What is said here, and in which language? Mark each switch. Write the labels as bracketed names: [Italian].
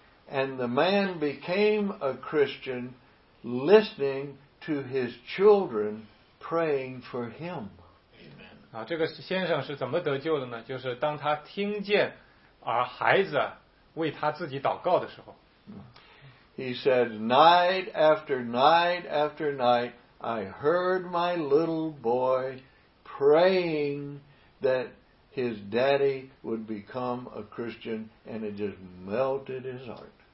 [English] And the man became a Christian, listening to his children praying for him. [Chinese] 这个先生是怎么得救的呢?就是当他听见孩子为他自己祷告的时候, [English] He said, night after night after night, I heard my little boy praying that his daddy would become a Christian, and it just melted his heart.